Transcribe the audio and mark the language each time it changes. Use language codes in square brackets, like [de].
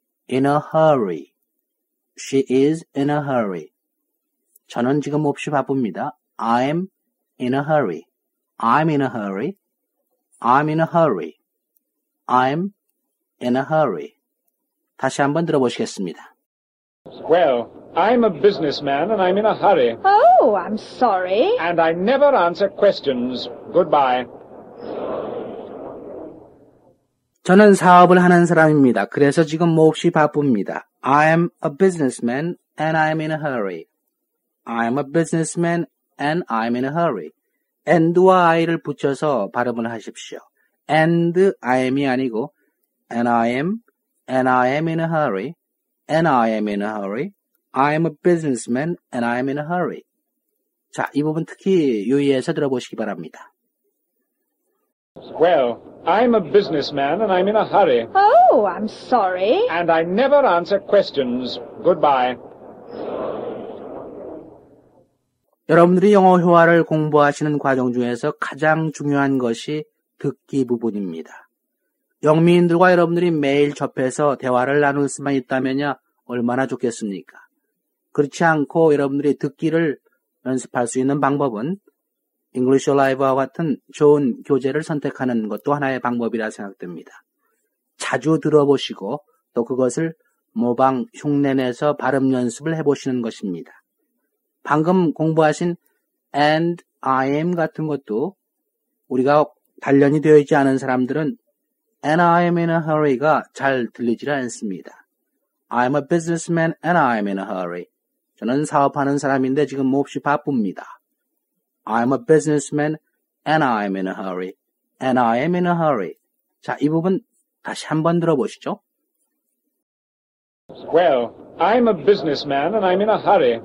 [en] In a hurry. She is in a hurry. [ko] 저는 지금 몹시 바쁩니다. [en] I'm in a hurry. I'm in a hurry. I'm in a hurry. I'm in a hurry. [ko] 다시 한번 들어보시겠습니다. [en] Well, I'm a businessman and I'm in a hurry. Oh, I'm sorry. And I never answer questions. Goodbye. [ko] 저는 사업을 하는 사람입니다. 그래서 지금 몹시 바쁩니다. [en] I'm a businessman and I'm in a hurry. I'm a businessman and I'm in a hurry. [ko] And와 I를 붙여서 발음을 하십시오. [en] And I'm이 [ko] 아니고 [en] and I am in a hurry, and I am in a hurry. I'm a businessman and I'm in a hurry. [ko] 자, 이 부분 특히 유의해서 들어보시기 바랍니다. [en] Well, I'm a businessman and I'm in a hurry. Oh, I'm sorry. And I never answer questions. Goodbye. [ko] 여러분들이 영어 회화를 공부하시는 과정 중에서 가장 중요한 것이 듣기 부분입니다. 영미인들과 여러분들이 매일 접해서 대화를 나눌 수만 있다면야 얼마나 좋겠습니까? 그렇지 않고 여러분들이 듣기를 연습할 수 있는 방법은 English Live와 같은 좋은 교재를 선택하는 것도 하나의 방법이라 생각됩니다. 자주 들어보시고 또 그것을 모방, 흉내내서 발음 연습을 해보시는 것입니다. 방금 공부하신 and, I am 같은 것도 우리가 단련이 되어 있지 않은 사람들은 [en] and I am in a hurry [ko] 가 잘 들리질 않습니다. [en] I'm a businessman and I'm in a hurry. [ko] 저는 사업하는 사람인데 지금 몹시 바쁩니다. [en] I'm a businessman and I'm in a hurry. And I am in a hurry. [ko] 자, 이 부분 다시 한번 들어보시죠. [en] Well, I'm a businessman and I'm in a hurry.